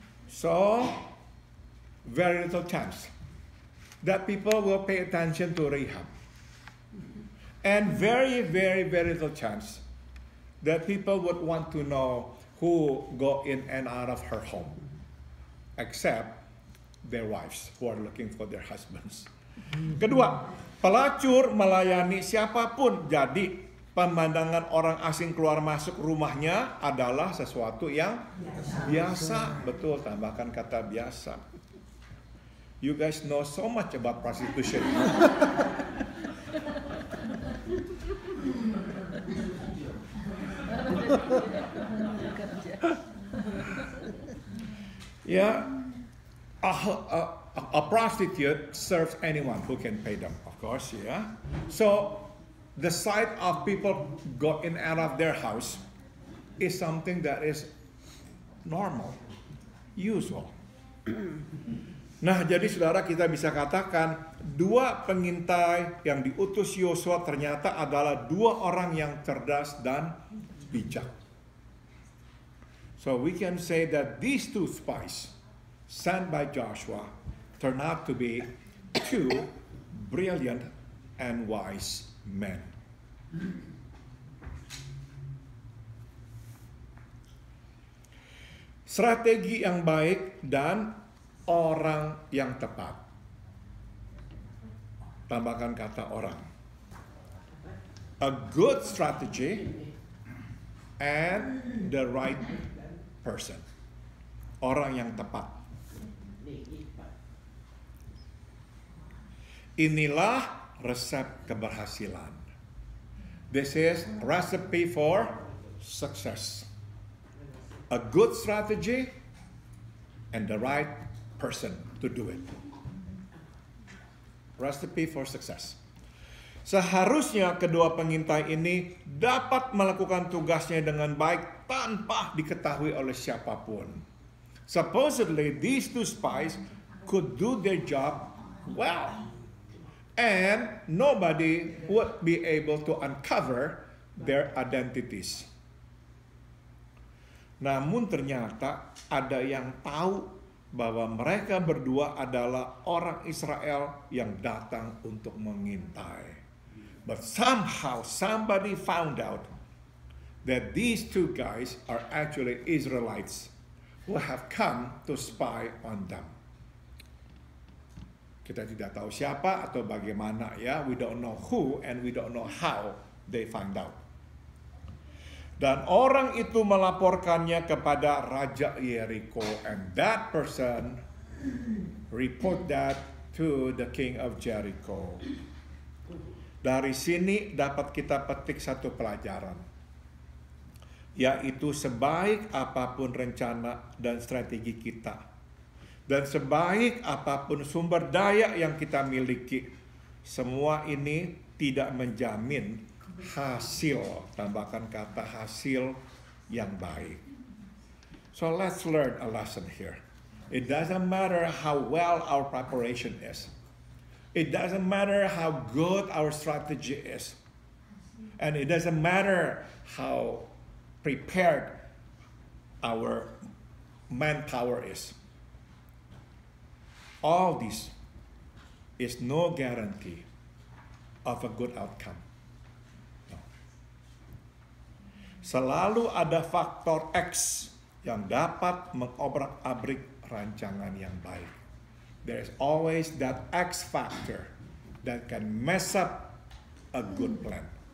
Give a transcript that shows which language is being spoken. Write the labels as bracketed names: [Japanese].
[English] So, very little chance that people will pay attention to Rahab. And very, very, very little chance that people would want to know who go in and out of her home. Except their wives who are looking for their husbands. [Indonesian] Kedua, pelacur melayani siapapun. Jadi, pemandangan orang asing keluar masuk rumahnya adalah sesuatu yang biasa. Betul, tambahkan kata biasa. [English] You guys know so much about prostitution. Yeah, a prostitute serves anyone who can pay them, of course, yeah. So the sight of people go in and out of their house is something that is normal, usual. [Indonesian] Nah, jadi saudara kita bisa katakan dua pengintai yang diutus Yosua ternyata adalah dua orang yang cerdas dan bijak. [English] So we can say that these two spies sent by Joshua turn out to be two brilliant and wise men. [Indonesian] Strategi yang baik dan orang yang tepat. Tambahkan kata orang. [English] A good strategy and the right person. [Indonesian] Orang yang tepat. Inilah resep keberhasilan. [English] This is recipe for success. A good strategy and the right person to do it. Recipe for success. [Indonesian] Seharusnya kedua pengintai ini dapat melakukan tugasnya dengan baik tanpa diketahui oleh siapapun. [English] Supposedly these two spies could do their job well, and nobody would be able to uncover their identities. [Indonesian] Namun ternyata ada yang tahu bahwa mereka berdua adalah orang Israel yang datang untuk mengintai. [English] But somehow somebody found out that these two guys are actually Israelites who have come to spy on them. [Indonesian] Kita tidak tahu siapa atau bagaimana ya. [English] We don't know who and we don't know how they found out. [Indonesian] Dan orang itu melaporkannya kepada Raja Yeriko, [English] and that person report that to the king of Jericho. [Indonesian] Dari sini dapat kita petik satu pelajaran, yaitu sebaik apapun rencana dan strategi kita, dan sebaik apapun sumber daya yang kita miliki, semua ini tidak menjamin hasil, tambahkan kata hasil, yang baik. [English] So let's learn a lesson here. It doesn't matter how well our preparation is. It doesn't matter how good our strategy is. And it doesn't matter how prepared our manpower is. All this is no guarantee of a good outcome. [Indonesian] Selalu ada faktor X yang dapat mengobrak-abrik rancangan yang baik. [English] There is always that X factor that can mess up a good plan.